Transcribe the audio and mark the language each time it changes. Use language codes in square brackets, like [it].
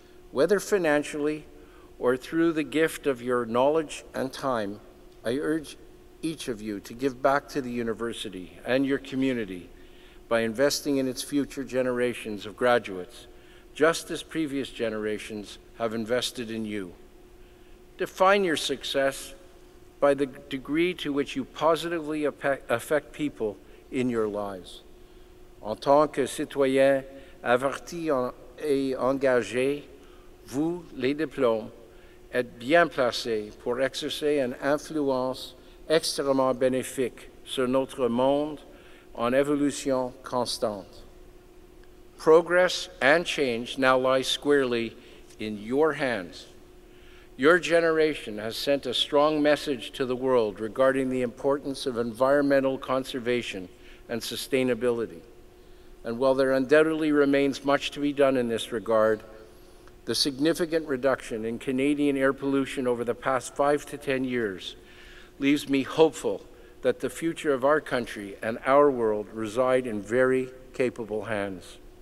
[en] Whether financially or through the gift of your knowledge and time, I urge each of you to give back to the university and your community by investing in its future generations of graduates, just as previous generations have invested in you. Define your success by the degree to which you positively affect people in your lives. [fr] En tant que citoyen averti et engagé, vous, les diplômes, être bien placé pour exercer une influence extrêmement bénéfique sur notre monde en évolution constante. [en] Progress and change now lie squarely in your hands. Your generation has sent a strong message to the world regarding the importance of environmental conservation and sustainability. And while there undoubtedly remains much to be done in this regard, the significant reduction in Canadian air pollution over the past 5 to 10 years leaves me hopeful that the future of our country and our world reside in very capable hands.